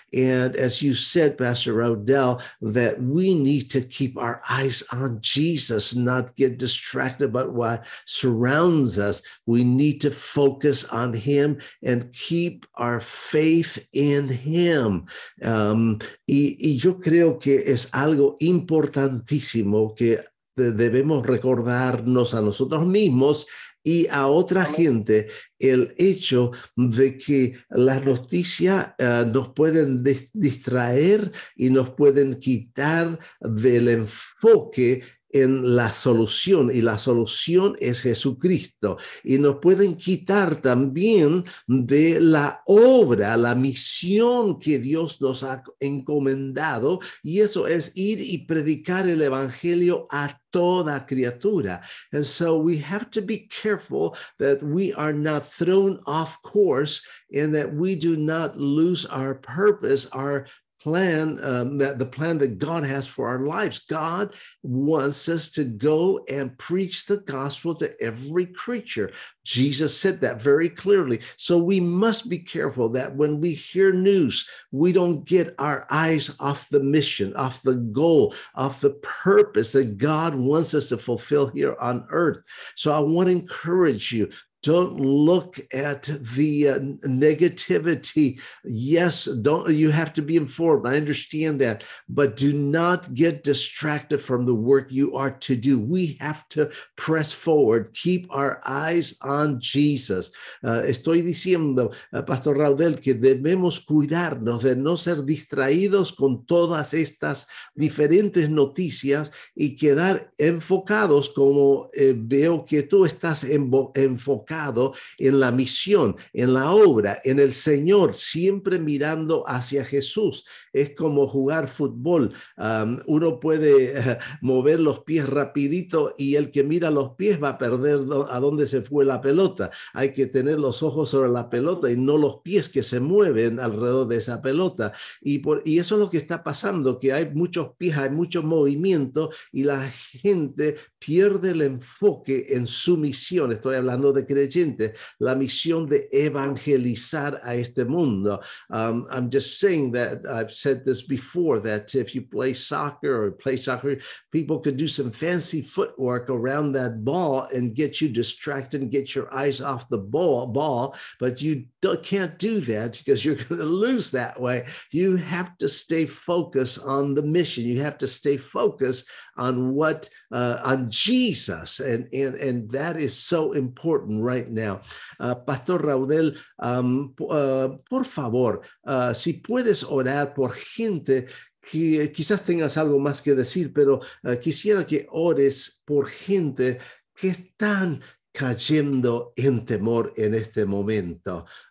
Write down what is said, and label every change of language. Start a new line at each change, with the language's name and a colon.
English: And as you said, Pastor Raudel, that we need to keep our eyes on Jesus, not get distracted by what surrounds us. We need to focus on Him and keep our faith in Him.
Spanish: Y yo creo que es algo importantísimo que debemos recordarnos a nosotros mismos y a otra gente, el hecho de que las noticias nos pueden distraer y nos pueden quitar del enfoque en la solución, y la solución es Jesucristo, y nos pueden quitar también de la obra, la misión que Dios nos ha encomendado, y eso es ir y predicar el evangelio a toda criatura.
English: And so we have to be careful that we are not thrown off course and that we do not lose our purpose, our plan, that the plan that God has for our lives. God wants us to go and preach the gospel to every creature. Jesus said that very clearly. So we must be careful that when we hear news, we don't get our eyes off the mission, off the goal, off the purpose that God wants us to fulfill here on earth. So I want to encourage you, Don't look at the negativity. Yes, don't. You have to be informed. I understand that. But do not get distracted from the work you are to do. We have to press forward. Keep our eyes on Jesus.
Spanish: Estoy diciendo, Pastor Raudel, que debemos cuidarnos de no ser distraídos con todas estas diferentes noticias y quedar enfocados como veo que tú estás enfocado. En la misión, en la obra, en el Señor, siempre mirando hacia Jesús. Es como jugar fútbol. Uno puede mover los pies rapidito y el que mira los pies va a perder a dónde se fue la pelota. Hay que tener los ojos sobre la pelota y no los pies que se mueven alrededor de esa pelota. Y eso es lo que está pasando, que hay muchos pies, hay mucho movimiento y la gente pierde el enfoque en su misión. Estoy hablando de creyente, la misión de evangelizar a este mundo.
English: I'm just saying that I've said this before, that if you play soccer or play soccer, people could do some fancy footwork around that ball and get you distracted and get your eyes off the ball, but you can't do that because you're going to lose that way. You have to stay focused on the mission. You have to stay focused on what, on Jesus. And that is so important right now.
Spanish: Pastor Raudel, por favor, si puedes orar por gente que quizás tengas algo más que decir, pero quisiera que ores por gente que están cayendo en temor en este momento.